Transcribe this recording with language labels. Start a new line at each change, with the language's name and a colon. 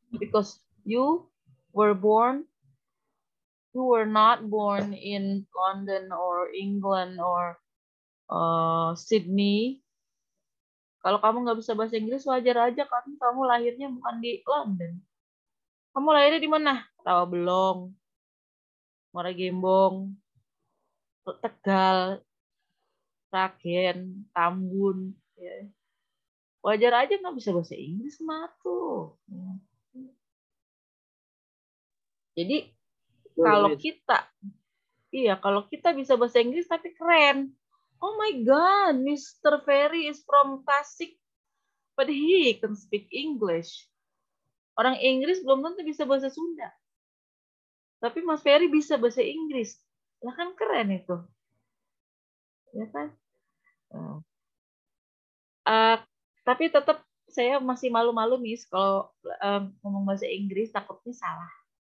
English: Because you were not born in London or England or Sydney.
Indonesian: Kalau kamu nggak bisa bahasa Inggris, wajar aja kan kamu lahirnya bukan di London. Kamu lahirnya di mana? Tawabelong, Muara Gembong, Tegal, Ragen, Tambun, ya. Wajar aja nggak bisa bahasa Inggris mah tuh. Jadi kalau kita, iya kalau kita bisa bahasa Inggris tapi keren.
English: Oh my God, Mr. Ferry is from Tasik, but he can speak English.
Indonesian: Orang Inggris belum tentu bisa bahasa Sunda, tapi Mas Ferry bisa bahasa Inggris. Lah kan keren itu, ya kan? Tapi tetap saya masih malu-malu Miss kalau ngomong bahasa Inggris takutnya salah.